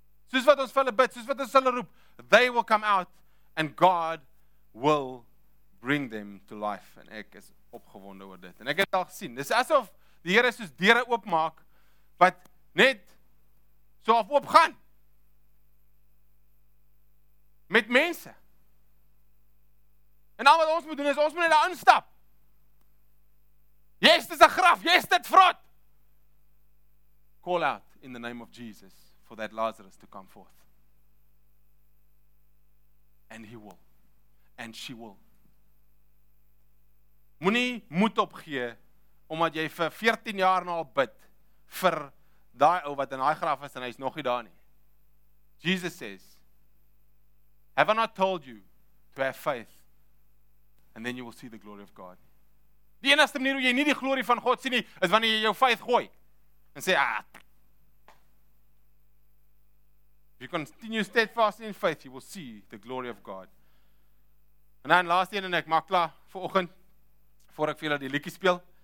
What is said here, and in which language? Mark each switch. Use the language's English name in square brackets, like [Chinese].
[Afrikaans] Soos wat ons vir hulle bid, soos wat ons hulle roep, [English] they will come out and God will bring them to life. [Afrikaans] En ek is opgewonde oor dit. En ek het al gesien, dis asof die Here soos deure oopmaak, wat net so af oopgaan. Met mense. En al wat ons moet doen, is ons moet net daar instap. Yes, dit is 'n graf. Yes, dit vrot. [English] Call out in the name of Jesus for that Lazarus to come forth. And he will. And she will. [Afrikaans] Moenie moed opgee omdat jy vir 14 jaar na al bid vir daai ou wat in daai graf is en hy is nog nie daar nie. [English] Jesus says, have I not told you to have faith and then you will see the glory of God? [Afrikaans] Die enigste manier hoe jy nie die glorie van God sien nie, is wanneer jy jou faith gooi. En sê, ah. [English] If you continue steadfast in faith, you will see the glory of God. [Afrikaans] En dan, laatste een, en ek maak klaar vir oggend, voor ek vir julle die liedjie speel.